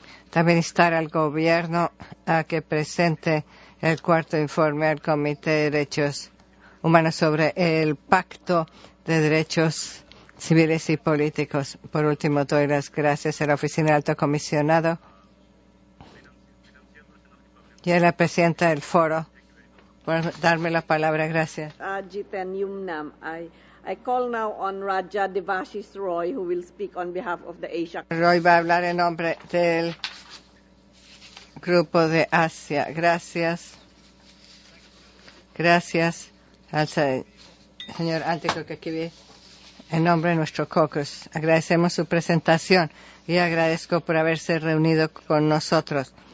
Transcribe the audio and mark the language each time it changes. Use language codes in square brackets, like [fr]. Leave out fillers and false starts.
[es] También instar al gobierno a que presente el cuarto informe al Comité de Derechos Humanos sobre el Pacto de Derechos Civiles y Políticos. Por último, doy las gracias a la Oficina del Alto Comisionado y a la presidenta del foro por darme la palabra. Gracias. [en] Jiten Yumnam, I call now on Raja Devashis Roy, who will speak on behalf of the Asia. [es] Roy va a hablar en nombre del Grupo de Asia. Gracias. Gracias al señor Antico que aquí viene. En nombre de nuestro caucus, agradecemos su presentación y agradezco por haberse reunido con nosotros.